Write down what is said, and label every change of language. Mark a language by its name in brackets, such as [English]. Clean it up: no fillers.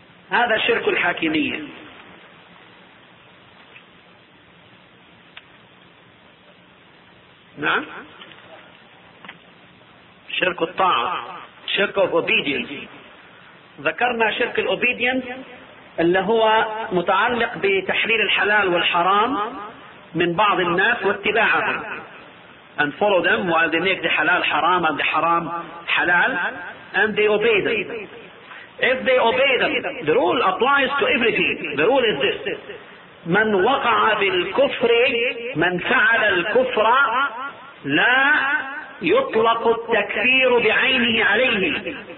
[Arabic] هذا شرك الحاكمية. نعم. شرك الطاعة. [English] شرك of obedience. [Arabic] ذكرنا شرك الobedience اللي هو متعلق بتحليل الحلال والحرام من بعض الناس واتباعهم. [English] And follow them while they make the halal haram and the haram halal, and they obey them. If they obey them, the rule applies to everything. The rule is this: [Arabic] من وقع بالكفر من فعل الكفر لا يطلق التكفير بعينه عليه.